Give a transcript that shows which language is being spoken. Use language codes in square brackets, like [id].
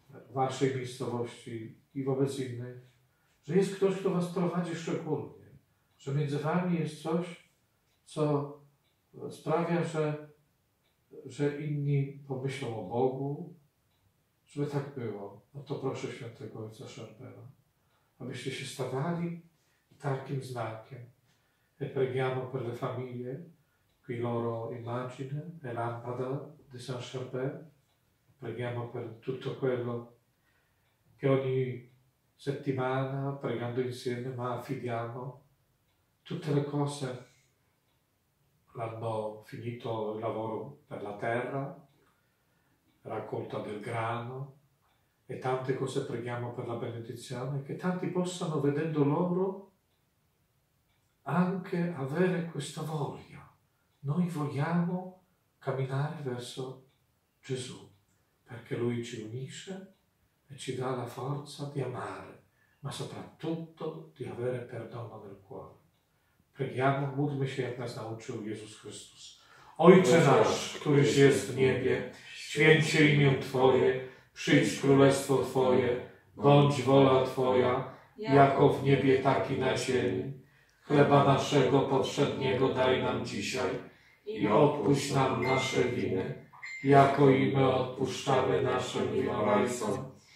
[pl] w waszej miejscowości i wobec innych, że jest ktoś, kto was prowadzi szczególnie, że między wami jest coś, co sprawia, że inni pomyślą o Bogu, żeby tak było. No to proszę świętego Ojca Szarbela, abyście się stawali takim znakiem. [it] E pregiamo per le famiglie, qui loro immagine, e lampada di San Charbel. Preghiamo per tutto quello che ogni settimana, pregando insieme, ma affidiamo tutte le cose. L'hanno finito il lavoro per la terra, raccolta del grano, e tante cose preghiamo per la benedizione, che tanti possano, vedendo loro, anche avere questa voglia. Noi vogliamo camminare verso Gesù, perché Lui ci unisce e ci dà la forza di amare, ma soprattutto di avere perdono nel cuore. Preghiamo, [pl] módlmy się, jak nas nauczył Jezus Chrystus. Ojcze nasz, któryś jest w niebie, święć się imię Twoje, przyjdź królestwo Twoje, bądź wola Twoja, jako w niebie, tak i na ziemi. Chleba naszego powszedniego daj nam dzisiaj i odpuść nam nasze winy, jako i my odpuszczamy naszym winowajcom.